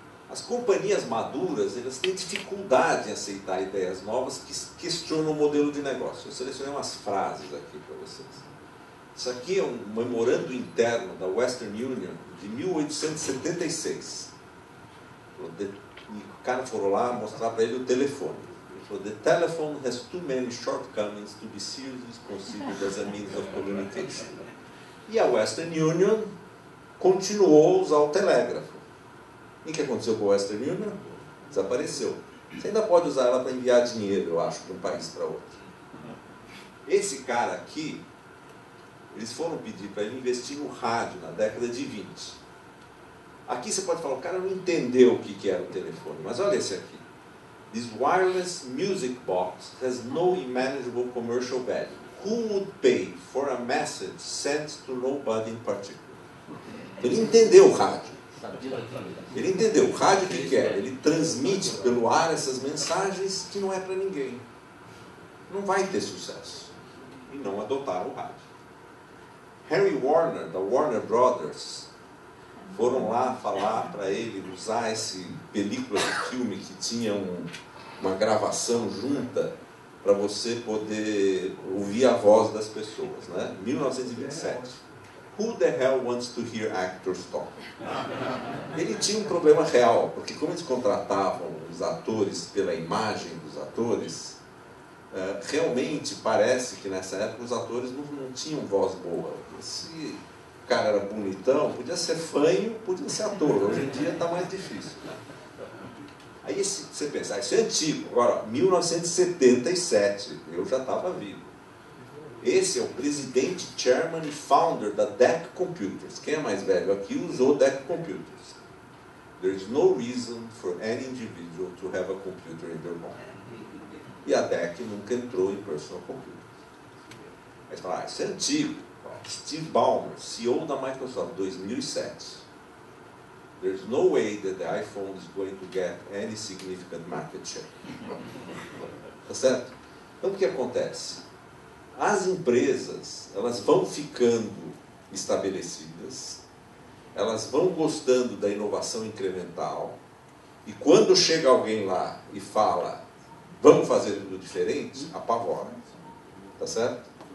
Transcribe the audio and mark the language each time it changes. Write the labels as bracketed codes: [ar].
[pt] As companhias maduras, elas têm dificuldade em aceitar ideias novas que questionam o modelo de negócio. Eu selecionei umas frases aqui para vocês. Isso aqui é um memorando interno da Western Union de 1876. E o cara foram lá mostrar para ele o telefone. Ele falou: [en] "The telephone has too many shortcomings to be seriously considered as a means of communication." [pt] E a Western Union continuou a usar o telégrafo. E o que aconteceu com a Western Union? Desapareceu. Você ainda pode usar ela para enviar dinheiro, eu acho, de um país para outro. Esse cara aqui, eles foram pedir para ele investir no rádio na década de 20. Aqui você pode falar, o cara não entendeu o que era o telefone, mas olha esse aqui. [en] "This wireless music box has no imaginable commercial value. Who would pay for a message sent to nobody in particular?" [pt] Ele entendeu o rádio. Ele entendeu o rádio, o que é? Ele transmite pelo ar essas mensagens que não é para ninguém. Não vai ter sucesso. E não adotaram o rádio. Harry Warner, da Warner Brothers, foram lá falar para ele usar essa película de filme que tinha uma gravação junta para você poder ouvir a voz das pessoas, né? 1927. [en] Who the hell wants to hear actors talk? [pt] Ele tinha um problema real, porque como eles contratavam os atores pela imagem dos atores, realmente parece que nessa época os atores não tinham voz boa. Se o cara era bonitão, podia ser fanho, podia ser ator. Hoje em dia está mais difícil. Aí você pensa, isso é antigo. Agora, 1977, eu já estava vivo. Esse é o presidente, chairman e founder da Deck Computers. Quem é mais velho aqui usou Deck Computers. [en] "There's no reason for any individual to have a computer in their mind." [pt] E a Deck nunca entrou em personal computers. Aí você fala, isso é antigo. Steve Ballmer, CEO da Microsoft, 2007. [en] "There's no way that the iPhone is going to get any significant market share." [pt] Tá certo? Então, o que acontece? As empresas, elas vão ficando estabelecidas, elas vão gostando da inovação incremental, e quando chega alguém lá e fala, vamos fazer tudo diferente, apavora. Tá certo?